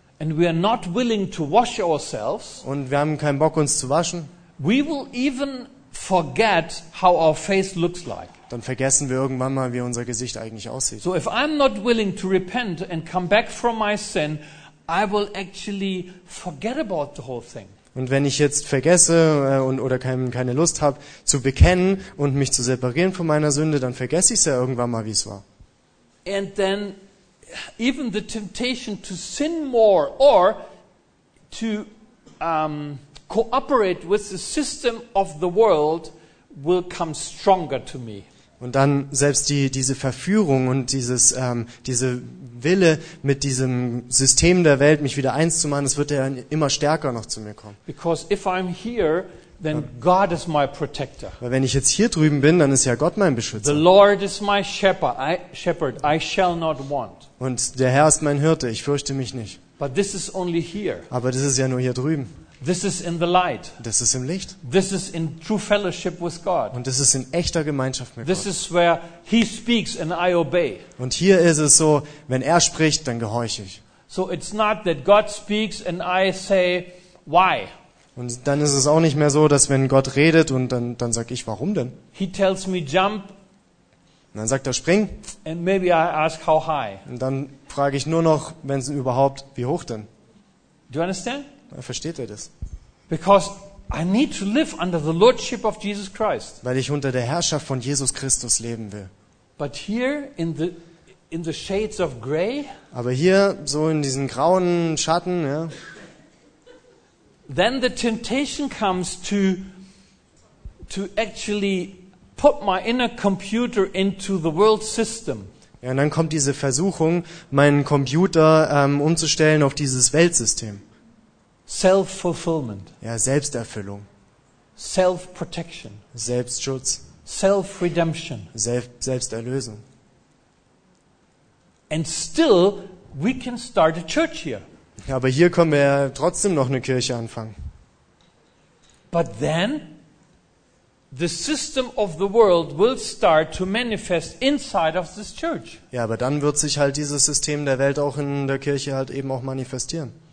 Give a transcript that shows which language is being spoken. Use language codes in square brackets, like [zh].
[en] and we are not willing to wash ourselves, [de] und wir haben keinen Bock uns zu waschen, [en] we will even forget how our face looks like. [de] Dann vergessen wir irgendwann mal, wie unser Gesicht eigentlich aussieht. [en] So if I'm not willing to repent and come back from my sin, I will actually forget about the whole thing. [de] Und wenn ich jetzt vergesse keine Lust habe zu bekennen und mich zu separieren von meiner Sünde, dann vergesse ich es ja irgendwann mal, wie es war. [en] And then even the temptation to sin more or to cooperate with the system of the world will come stronger to me. [de] Und dann selbst diese Verführung und diese Wille, mit diesem System der Welt mich wieder eins zu machen, es wird ja immer stärker noch zu mir kommen. [en] Because if I'm here, then God is my protector. [de] Weil wenn ich jetzt hier drüben bin, dann ist ja Gott mein Beschützer. [en] The Lord is my shepherd. I shall not want. [de] Und der Herr ist mein Hirte. Ich fürchte mich nicht. [en] But this is only here. [de] Aber das ist ja nur hier drüben. [en] This is in the light. [de] Das ist im Licht. [en] This is in true fellowship with God. [de] Und das ist in echter Gemeinschaft mit [en] this This is where He speaks and I obey. [de] Und hier ist es so, wenn er spricht, dann gehorche ich. [en] So it's not that God speaks and I say why. [de] Und dann ist es auch nicht mehr so, dass wenn Gott redet und dann sage ich, warum denn? [en] He tells me jump. [de] Und dann sagt er, spring. [en] And maybe I ask how high. [de] Und dann frage ich nur noch, wenn es überhaupt, wie hoch denn? [en] Do you understand? [de] Dann versteht er das? [en] Because I need to live under the lordship of Jesus Christ. [de] Weil ich unter der Herrschaft von Jesus Christus leben will. [en] But here in the shades of gray. [de] Aber hier so in diesen grauen Schatten, ja. [en] Then the temptation comes to actually put my inner computer into the world system. [de] Ja, und dann kommt diese Versuchung, meinen Computer umzustellen auf dieses Weltsystem. [en] Self-fulfillment. [de] Ja, Selbsterfüllung. [en] Self-protection. [de] Selbstschutz. [en] Self-redemption. [de] Selbsterlösung. [en] And still we can start a church here. [de] Ja, aber hier können wir ja trotzdem noch eine Kirche anfangen. [en] But then the system of the world will start to manifest inside of this church. [de] Ja, aber dann wird sich halt dieses System der Welt auch in der Kirche halt eben auch manifestieren.